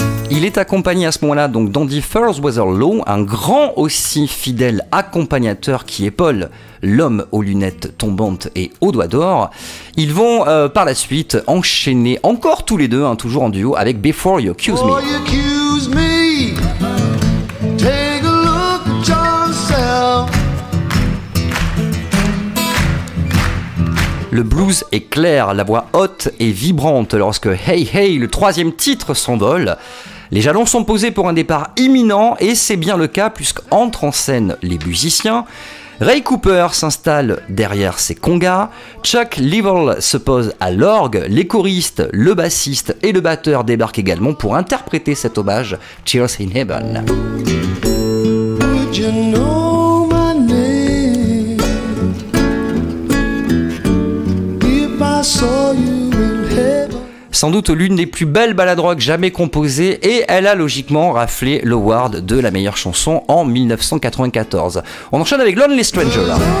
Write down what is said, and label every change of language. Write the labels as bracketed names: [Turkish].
[French] Il est accompagné à ce moment-là donc d'Andy Fairweather Law, un grand aussi fidèle accompagnateur qui épaule l'homme aux lunettes tombantes et aux doigts d'or. Ils vont par la suite enchaîner encore tous les deux, toujours en duo, avec Before You Accuse Me. [English] Before you accuse me, take a look at yourself. [French] Le blues est clair, la voix haute et vibrante lorsque Hey Hey, le troisième titre, s'envole. Les jalons sont posés pour un départ imminent et c'est bien le cas puisqu'entre en scène les musiciens. Ray Cooper s'installe derrière ses congas, Chuck Leavell se pose à l'orgue, les choristes, le bassiste et le batteur débarquent également pour interpréter cet hommage Tears in Heaven. [English] Would you know my name if I saw you? [French] sans doute l'une des plus belles ballades rock jamais composées, et elle a logiquement raflé l'award de la meilleure chanson en 1994. On enchaîne avec Lonely Stranger là.